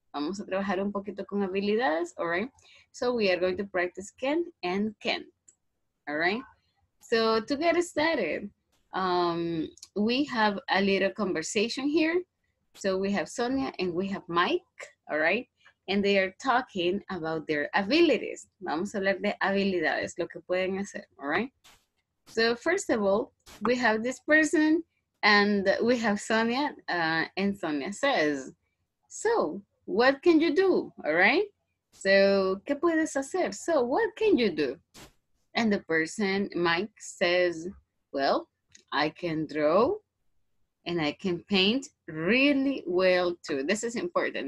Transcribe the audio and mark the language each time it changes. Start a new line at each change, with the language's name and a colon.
Spanish: Vamos a trabajar un poquito con habilidades,
English: all right? So we are going to practice can and can't, all right? So to get started, we have a little conversation here. So we have Sonia and we have Mike, all right? And they are talking about their abilities.
Spanish: Vamos a hablar de habilidades, lo que pueden hacer, all right?
English: So first of all, we have this person and we have Sonia, and Sonia says, so what can you do, all right? So,
Spanish: ¿qué puedes hacer?
English: So what can you do? And the person, Mike, says, well, I can draw and I can paint really well too. This is important.